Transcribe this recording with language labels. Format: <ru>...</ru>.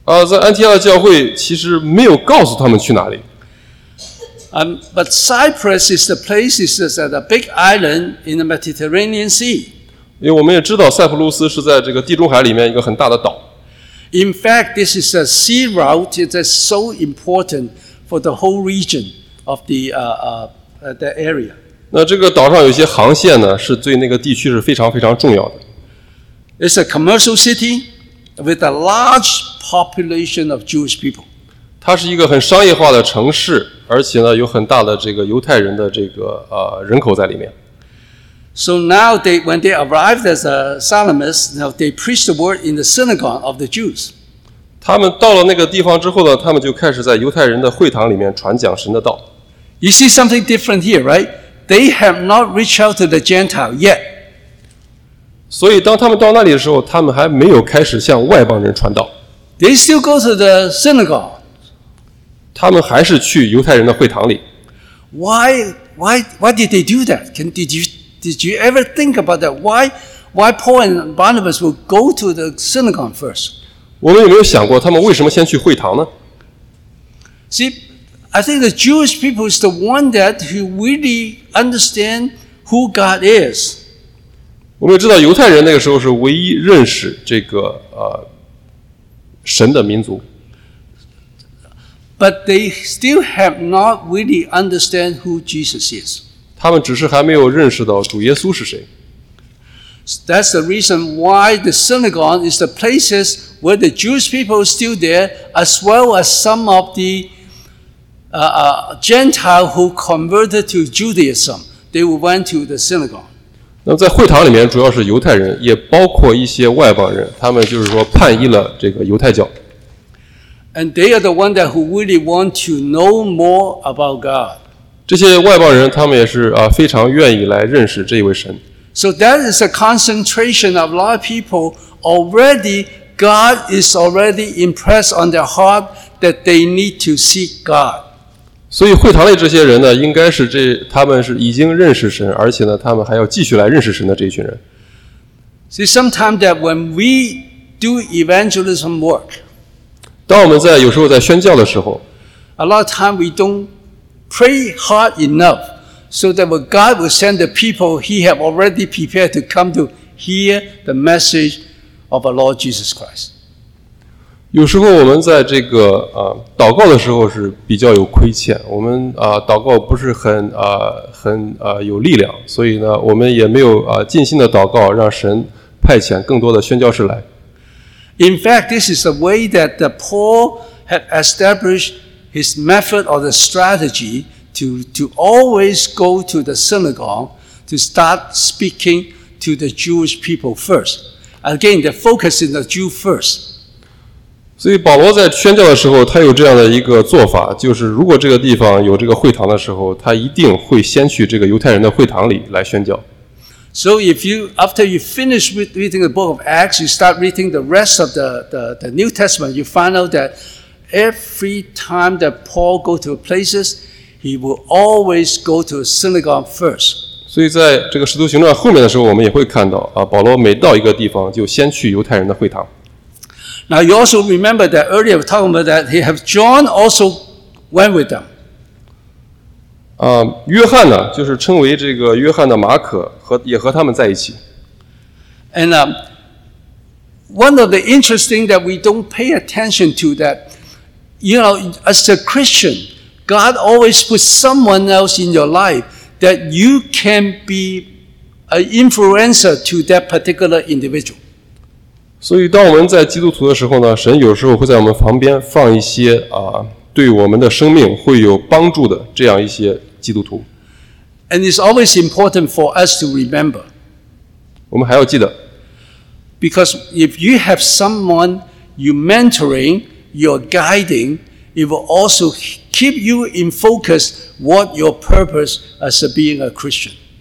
<zh>在安提阿的教会其实没有告诉他们去哪里。</zh> <en>But Cyprus is the place, is a big island in the Mediterranean Sea.</en> <zh>因为我们也知道塞浦路斯是在这个地中海里面一个很大的岛。</zh> <en>In fact, this is a sea route that's so important for the whole region of the area.</en> <zh>那这个岛上有些航线呢，是对那个地区是非常非常重要的。</zh> <en>It's a commercial city with a large population of Jewish people.</en> <zh>它是一个很商业化的城市，而且呢有很大的这个犹太人的这个人口在里面。</zh> <en>So now they, when they arrived as a Salamis, now they preached the word in the synagogue of the Jews.</en> <zh>他们到了那个地方之后呢，他们就开始在犹太人的会堂里面传讲神的道。</zh> <en>You see something different here, right? They have not reached out to the Gentile yet.</en> <zh>所以当他们到那里的时候，他们还没有开始向外邦人传道。</zh> <en>They still go to the synagogue.</en> <zh>他们还是去犹太人的会堂里。</zh> <en>Why did they do that? Did you ever think about that? Why Paul and Barnabas would go to the synagogue first?</en> <zh>我们有没有想过他们为什么先去会堂呢</zh> <en>See, I think the Jewish people is the one that who really understand who God is.</en> <zh>我们知道犹太人那个时候是唯一认识这个神的民族。</zh> <en>But they still have not really understand who Jesus is.</en> <zh>他们只是还没有认识到主耶稣是谁。</zh> <en>That's the reason why the synagogue is the places where the Jewish people are still there, as well as some of the Gentile who converted to Judaism, they went to the synagogue.</en> <zh>那么在会堂里面主要是犹太人，也包括一些外邦人，他们就是说叛逆了这个犹太教。</zh> <en>And they are the ones that who really want to know more about God.</en> <zh>这些外邦人他们也是啊非常愿意来认识这位神。</zh> <en>So that is a concentration of a lot of people already. God is already impressed on their heart that they need to seek God.</en> <zh>所以会堂里这些人呢，应该是这他们是已经认识神，而且呢，他们还要继续来认识神的这一群人。</zh> <en>See, sometimes that when we do evangelism work,</en> <zh>当我们在有时候在宣教的时候</zh> <en>，a lot of time we don't pray hard enough. So that when God will send the people, He have already prepared to come to hear the message of our Lord Jesus Christ.</en> <zh>有时候我们在这个祷告的时候是比较有亏欠，我们祷告不是很有力量，所以呢，我们也没有尽心的祷告，让神派遣更多的宣教士来。</zh> <en>In fact, this is the way that the Paul had established his method or the strategy. To always go to the synagogue to start speaking to the Jewish people first. Again, the focus is the Jew first.</en> <zh>所以保罗在宣教的时候，他有这样的一个做法，就是如果这个地方有这个会堂的时候，他一定会先去这个犹太人的会堂里来宣教。</zh> <en>So if you after you finish reading the book of Acts, you start reading the rest of the New Testament, you find out that every time that Paul go to places. He will always go to a synagogue first.</en> <zh>所以在这个使徒行传后面的时候，我们也会看到啊，保罗每到一个地方就先去犹太人的会堂。</zh> <en>Now you also remember that earlier we talked about that he have John also went with them.</en> <zh>约翰呢，就是称为这个约翰的马可和也和他们在一起。</zh> <en>And one of the interesting that we don't pay attention to that, you know, as a Christian. God always puts someone else in your life that you can be an influencer to that particular individual.</en> <zh>所以当我们在基督徒的时候呢，神有时候会在我们旁边放一些对我们的生命会有帮助的这样一些基督徒。</zh> <en>And it's always important for us to remember.</en> <zh>我们还要记得。</zh> <en>Because if you have someone you're mentoring, you're guiding,It will also keep you in focus what your purpose as being a Christian.</en>